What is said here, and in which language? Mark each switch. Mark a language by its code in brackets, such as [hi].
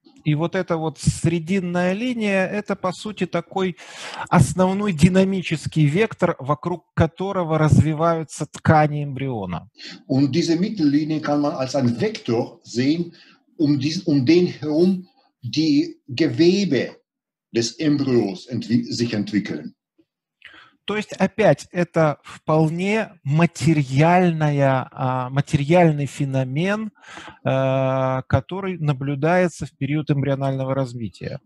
[ru] И вот эта вот срединная линия – это, по сути, такой основной динамический вектор, вокруг которого развиваются ткани эмбриона. [de] Und diese Mittellinie kann man als einen Vektor sehen, den herum die Gewebe des Embryos sich entwickeln. [ru] То есть, опять, это вполне материальный феномен, который наблюдается в период эмбрионального развития.